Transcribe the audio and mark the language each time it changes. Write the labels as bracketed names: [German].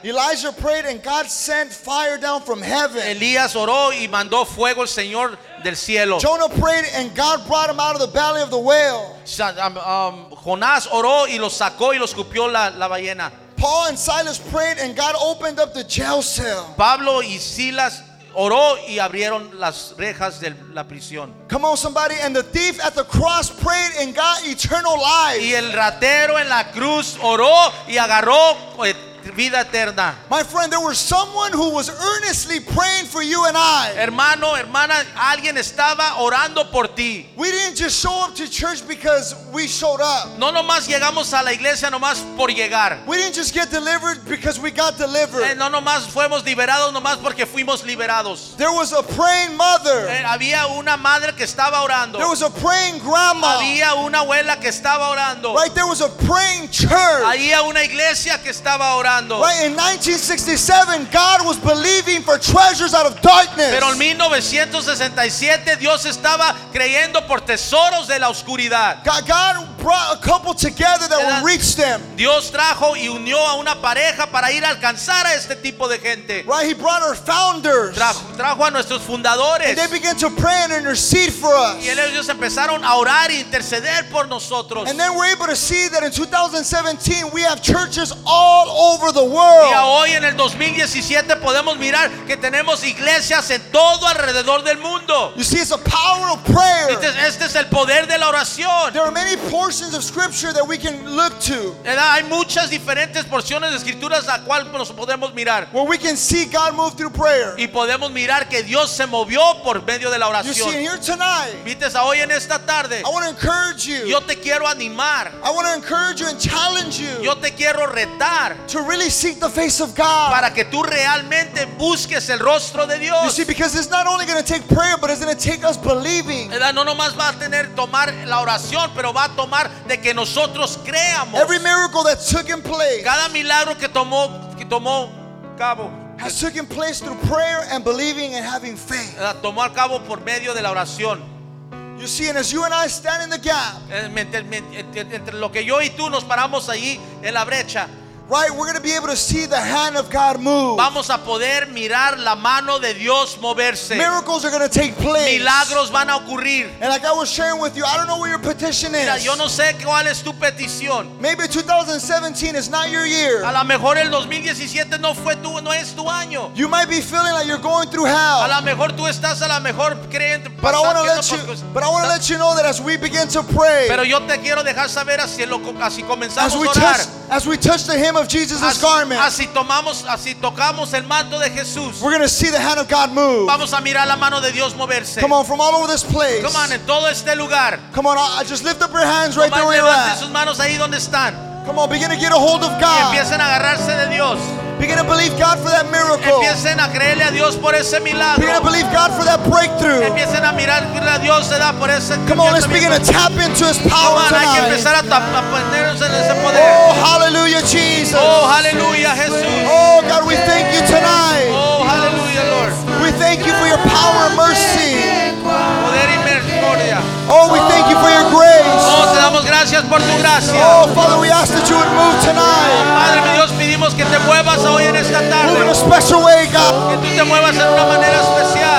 [Spanish] Elijah prayed and God sent fire down from heaven. [English] Elías oró y mandó fuego el Señor del cielo. [Spanish] Jonah prayed and God brought him out of the belly of the whale. [English] Jonás oró y los sacó y los escupió la ballena. [Spanish] Paul and Silas prayed and God opened up the jail cell. [English] Pablo y Silas oró y abrieron las rejas de la prisión. [Spanish] Come on somebody, and the thief at the cross prayed and got eternal life. [English] Y el ratero en la cruz oró y agarró vida eterna. [Spanish] My friend, there was someone who was earnestly praying for you and I. [English] Hermano, hermana, alguien estaba orando por ti. [Spanish] We didn't just show up to church because we showed up. [English] No nomás llegamos a la iglesia nomás por llegar. [Spanish] We didn't just get delivered because we got delivered. [English] No nomás fuimos liberados nomás porque fuimos liberados. [Spanish] There was a praying mother. [English] Había una madre que estaba orando. [Spanish] There was a praying grandma. [English] Había una abuela que estaba orando. [Spanish] Right, there was a praying church. [English] Había una iglesia que estaba orando. [Spanish] Right, in 1967, God was believing for treasures out of darkness. [English] Pero en 1967, Dios estaba creyendo por tesoros de la oscuridad. [Spanish] God brought a couple together that would reach them. [English] Dios trajo y unió a una pareja para ir a alcanzar a este tipo de gente. [Spanish] Right, He brought our founders. [English] Trajo a nuestros fundadores. [Spanish] And they began to pray and intercede for us. [English] Y ellos empezaron a orar y interceder por nosotros. And then we're able to see that in 2017, we have churches all over. over the world. [Spanish] Y hoy en el 2017 podemos mirar que tenemos iglesias en todo alrededor del mundo. [English] You see, it's a power of prayer. [Spanish] Este es el poder de la oración. [English] There are many portions of scripture that we can look to. [Spanish] Hay muchas diferentes porciones de escrituras a cual nos podemos mirar. [English] Where we can see God move through prayer. [Spanish] Y podemos mirar que Dios se movió por medio de la oración. [English] You see, here tonight. [Spanish] Vites a hoy en esta tarde. [English] I want to encourage you. [Spanish] Yo te quiero animar. [English] I want to encourage you and challenge you. [Spanish] Yo te quiero retar. [English] To really seek the face of God. [Spanish] Para que tú realmente busques el rostro de Dios. [English] You see, because it's not only going to take prayer, but it's going to take us believing. [Spanish] No nomás va a tener tomar la oración, pero va a tomar de que nosotros creamos. [English] Every miracle that took in place. [Spanish] Cada milagro que tomó cabo. [English] Has taken place through prayer and believing and having faith. [Spanish] Tomó al cabo por medio de la oración. [English] You see, and as you and I stand in the gap, [Spanish] entre lo que yo y tú nos paramos allí en la brecha, [English] right, we're going to be able to see the hand of God move. [Spanish] Vamos a poder mirar la mano de Dios moverse. [English] Miracles are going to take place. [Spanish] Milagros van a ocurrir. [English] And like I was sharing with you, I don't know what your petition is. [Spanish] Mira, yo no sé cuál es tu petición. [English] Maybe 2017 is not your year. [Spanish] A lo mejor el 2017 no es tu año. [English] You might be feeling like you're going through hell. [Spanish] A lo mejor tú estás a lo mejor creyendo. [English] But I want to let you know that as we begin to pray. [Spanish] Pero yo te quiero dejar saber así comenzamos a orar. [English] As we touch the hem of Jesus' garment. [Spanish] Así tocamos el manto de Jesús. [English] We're going to see the hand of God move. [Spanish] Vamos a mirar la mano de Dios moverse. [English] Come on, from all over this place. Come on, [Spanish] en todo este lugar. [English] Come on, just lift up your hands right there where you're at. [Spanish] Levanten sus manos ahí donde están. [English] Come on, begin to get a hold of God. [Spanish] Y empiecen a agarrarse de Dios. [English] Begin to believe God for that miracle. [Spanish] Empiecen a creerle a Dios por ese milagro. [English] Begin to believe God for that breakthrough. [Spanish] Empiecen a mirarle a Dios de dar por ese. [English] Come on, let's begin to tap into His power tonight. [Spanish] Hay que empezar a ponernos en ese poder. [English] Oh, hallelujah, Jesus. [Spanish] Oh, hallelujah, Jesús. [English] Oh, God, we thank you tonight. Oh, hallelujah, Lord. We thank you for your power and mercy. [Spanish] Poder y misericordia. [English] Oh, we thank you for your grace. [Spanish] Oh, te damos gracias por tu gracia. [English] Oh, Father, we ask that you would move tonight. [Spanish] Padre, mi Dios, pedimos que te muevas hoy en esta tarde. [English] Move in a special way, God. [Spanish] Que tú te muevas en una manera especial.